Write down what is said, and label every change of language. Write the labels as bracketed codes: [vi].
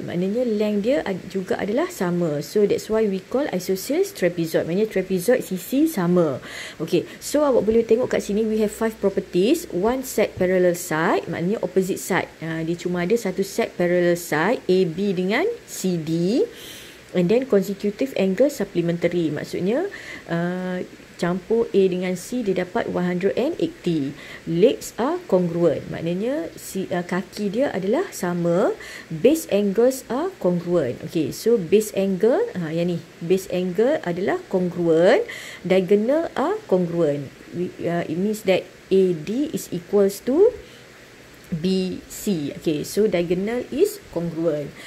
[ms] Maknanya length dia juga adalah sama. [en] So that's why we call isosceles trapezoid. [ms] Maknanya trapezoid sisi sama. Okay, so awak boleh tengok kat sini, [en] we have 5 properties. One set parallel side, [ms] maknanya [en] opposite side. [ms] Dia cuma ada satu [en] set parallel side, AB [ms] dengan [en] CD. And then consecutive angle supplementary. [ms] Maksudnya campur A dengan C, dia dapat 180. [en] Legs are congruent. [ms] Maknanya kaki dia adalah sama. [en] Base angles are congruent. Okay, so base angle, [ms] yang ni, [en] base angle [ms] adalah [en] congruent. Diagonal are congruent. It means that AD is equals to BC. Okay, so diagonal is congruent.